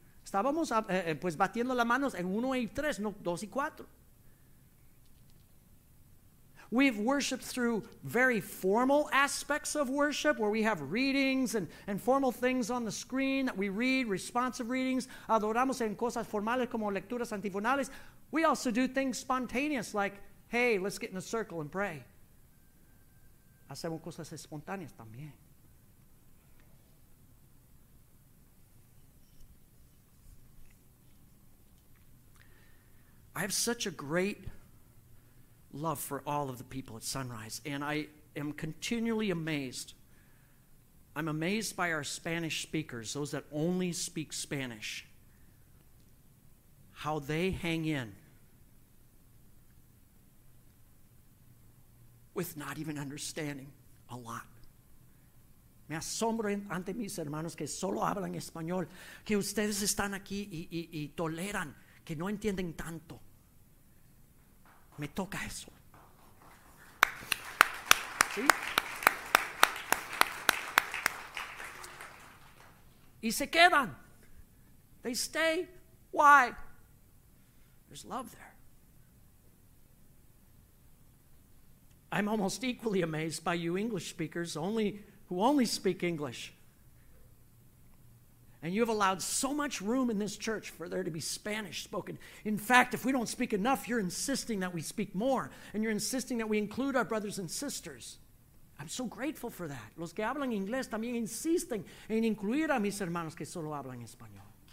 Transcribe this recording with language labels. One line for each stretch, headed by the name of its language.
Spanish: Estábamos pues batiendo las manos en 1 y 3, no 2 y 4.
English: We've worshiped through very formal aspects of worship where we have readings and formal things on the screen that we read, responsive readings.
Spanish: Adoramos en cosas formales como lecturas antifonales.
English: We also do things spontaneous like, hey, let's get in a circle and pray.
Spanish: Hacemos cosas espontáneas también.
English: I have such a great love for all of the people at Sunrise, and I am continually amazed. I'm amazed by our Spanish speakers, those that only speak Spanish, how they hang in with not even understanding a lot.
Spanish: Me asombro ante mis hermanos que solo hablan español, que ustedes están aquí y toleran, que no entienden tanto. Me toca eso. ¿Sí? Y se quedan.
English: They stay. Why? There's love there. I'm almost equally amazed by you English speakers who only speak English. And you have allowed so much room in this church for there to be Spanish spoken. In fact, if we don't speak enough, you're insisting that we speak more. And you're insisting that we include our brothers and sisters. I'm so grateful for that.
Spanish: Los que hablan inglés también insisten en incluir a mis hermanos que solo hablan español.